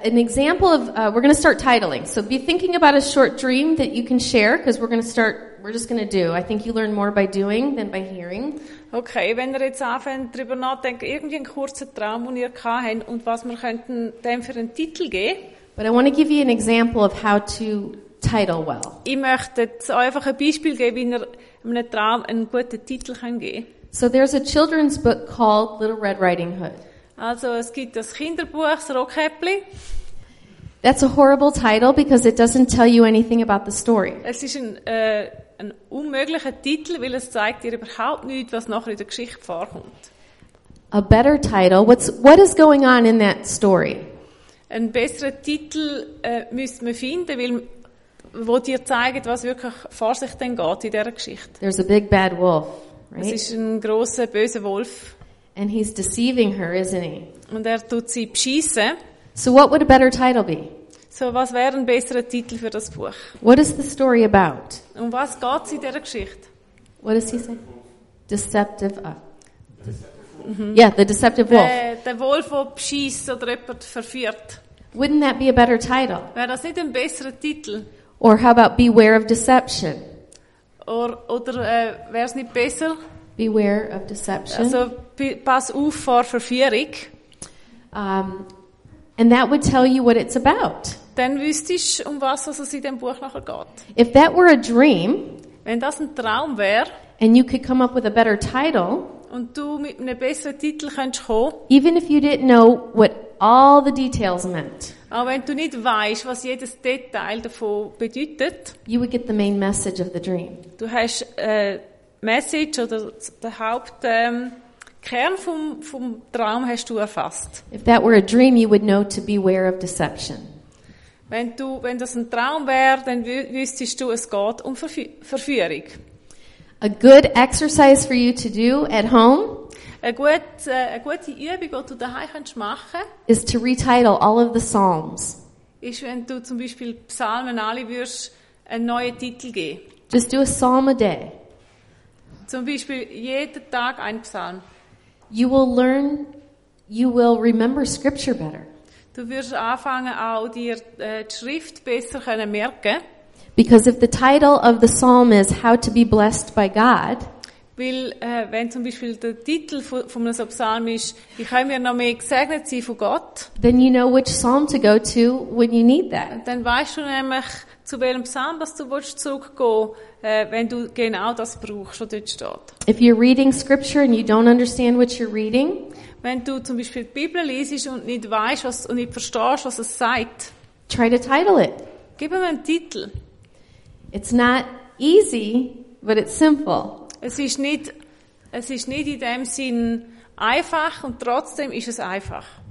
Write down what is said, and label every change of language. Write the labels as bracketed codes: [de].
[en] An example of, we're going to start titling. So be thinking about a short dream that you can share, because we're just going to do. I think you learn more by doing than by hearing. [de] Okay, wenn ihr jetzt anfängt, darüber nachdenkt, irgendwie einen kurzen Traum, den ihr gehabt habt, und was wir könnten dem für einen Titel geben, [en] But I want to give you an example of how to title well. [de] Ich möchte einfach ein Beispiel geben, wie man einem Traum einen guten Titel kann geben. [en] So there's a children's book called Little Red Riding Hood. [de] Also es gibt das Kinderbuch das Rockäppli. [en] That's a horrible title because it doesn't tell you anything about the story. [de] Es ist ein unmöglicher Titel, weil es zeigt dir überhaupt nichts, was nachher in der Geschichte vorkommt. [en] A better title. What is going on in that story? [de] Ein besserer Titel müsste man finden, weil wo dir zeigt, was wirklich vor sich denn geht in dieser Geschichte. [en] There's a big bad wolf, right? [de] Es ist ein grosser, böser Wolf. [en] And he's deceiving her, isn't he? [de] Und er tut sie beschissen. [en] So what would a better title be? [de] So was wäre ein besserer Titel für das Buch? [en] What is the story about? [de] Um was geht's in dieser Geschichte? [en] What does he say? Deceptive. Mm-hmm. Yeah, the deceptive wolf. [de] Der Wolf, der beschissen oder jemand verführt. [en] Wouldn't that be a better title? [de] Wäre das nicht ein besserer Titel? [en] Or how about Beware of Deception? [de] Oder wäre es nicht besser? [en] Beware of Deception. [de] Also pass auf vor Verführung. [en] And that would tell you what it's about. [de] Dann wüsstest du, um was es in diesem Buch nachher geht. [en] If that were a dream, [de] wenn das ein Traum wäre, [en] and you could come up with a better title, [de] und du mit einem besseren Titel könntest kommen, [en] even if you didn't know what all the details meant, [de] auch wenn du nicht weißt, was jedes Detail davon bedeutet, [en] you would get the main message of the dream. [de] Du hast Message oder der Haupt Kern vom Traum hast du erfasst. [en] If that were a dream, you would know to beware of deception. [de] Wenn das ein Traum wäre, dann wüsstest du, es geht um Verführung. [en] A good exercise for you to do at home. [de] Eine gute Übung, die du daheim kannst machen. [en] Is to retitle all of the Psalms. [de] Ist, wenn du zum Beispiel Psalmen alle würdest einen neuen Titel geben. [en] Just do a Psalm a day. [de] Zum Beispiel jeden Tag einen Psalm. [en] You will learn, you will remember scripture better. [de] Du wirst anfangen, auch dir die Schrift besser können merken. [en] Because if the title of the psalm is How to be blessed by God, [de] weil, wenn zum Beispiel der Titel von einem Psalm ist, wie können wir noch mehr gesegnet sein von Gott? [en] Then you know which psalm to go to when you need that. [de] Dann weißt du nämlich, zu welchem Psalm du zurückgehen willst, wenn du genau das brauchst, was dort steht. [en] If you're reading scripture and you don't understand what you're reading, [de] wenn du zum Beispiel die Bibel liest und nicht weißt was, und nicht verstehst, was es sagt, [en] try to title it. [de] Gib ihm einen Titel. [en] It's not easy, but it's simple. [de] Es ist nicht in dem Sinn einfach und trotzdem ist es einfach.